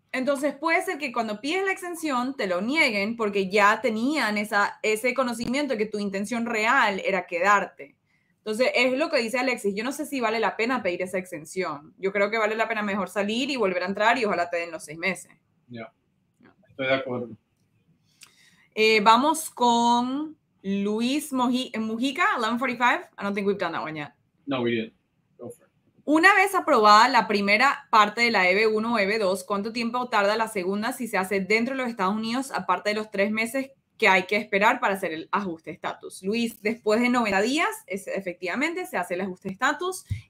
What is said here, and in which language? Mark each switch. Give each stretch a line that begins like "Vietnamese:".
Spanish: Entonces puede ser que cuando pides la exención te lo nieguen porque ya tenían ese conocimiento de que tu intención real era quedarte. Entonces, es lo que dice Alexis. Yo no sé si vale la pena pedir esa exención. Yo creo que vale la pena mejor salir y volver a entrar y ojalá te den los 6 meses. Ya, estoy de acuerdo. Vamos con Luis Mujica, 1145.
English: I don't think we've done that one yet. No, we didn't. Go for it.
Spanish: Una vez aprobada la primera parte de la EB1 o EB2, ¿cuánto tiempo tarda la segunda si se hace dentro de los Estados Unidos, aparte de los 3 meses que hay que esperar para hacer el ajuste de estatus? Luis, después de 90 días, efectivamente, se hace el ajuste de estatus.